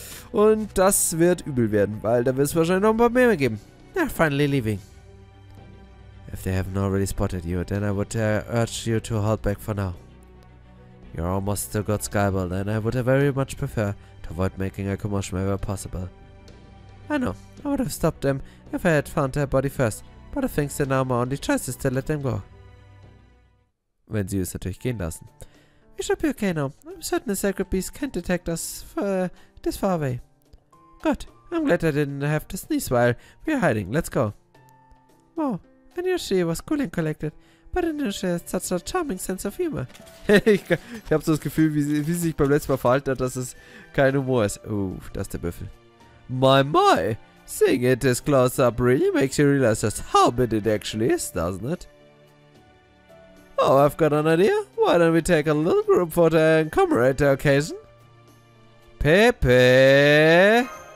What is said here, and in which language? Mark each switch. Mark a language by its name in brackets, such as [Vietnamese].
[German] Und das wird übel werden, weil da wird es wahrscheinlich noch ein paar mehr geben. [English] They're finally leaving. If they haven't already spotted you, then I would urge you to hold back for now. You're almost still got Skyball, and I would very much prefer to avoid making a commotion wherever possible. I know, I would have stopped them if I had found their body first, but I think that now my only choice is to let them go. [German] Wenn sie es natürlich gehen lassen. [English] We should be okay now. I'm certain the sacred beast can't detect us this far away. Good. I'm glad I didn't have to sneeze while we are hiding. Let's go. Wow, I knew she was cool and collected, but I knew she had such a charming sense of humor. [German] Ich hab so das Gefühl, wie sie sich beim letzten Mal verhalten hat, dass es kein Humor ist. Das ist der Büffel. [English] My. Seeing it this close up really makes you realize just how big it actually is, doesn't it? Oh, I've got an idea. Why don't we take a little group photo and commemorate the occasion? Pepe!